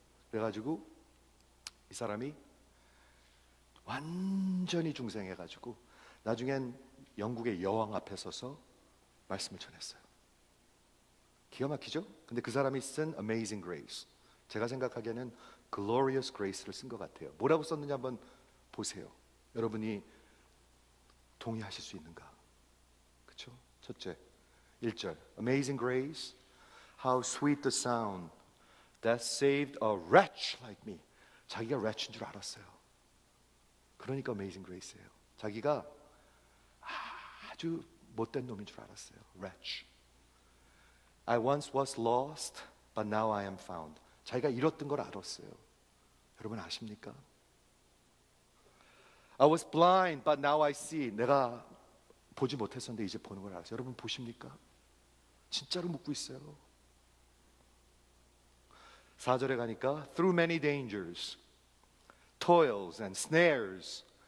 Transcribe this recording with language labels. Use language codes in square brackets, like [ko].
[ko] 그래가지고 이 사람이 완전히 중생해가지고 나중엔 영국의 여왕 앞에 서서 말씀을 전했어요. 기가 막히죠? 근데 그 사람이 쓴 Amazing Grace, 제가 생각하기에는 Glorious Grace를 쓴 것 같아요. 뭐라고 썼는지 한번 보세요. 여러분이 동의하실 수 있는가? 그렇죠? 첫째, 1절 [en] Amazing Grace, how sweet the sound that saved a wretch like me. [ko] 자기가 wretch인 줄 알았어요. 그러니까 Amazing Grace예요. 자기가 아주 못된 놈인 줄 알았어요. [en] Wretch. I once was lost, but now I am found. [ko] 자기가 잃었던 걸 알았어요. 여러분 아십니까? [en] I was blind, but now I see. [ko] 내가 보지 못했었는데 이제 보는 걸 알았어요. 여러분 보십니까? 진짜로 묻고 있어요. 4절에 가니까 [en] Through many dangers, toils and snares.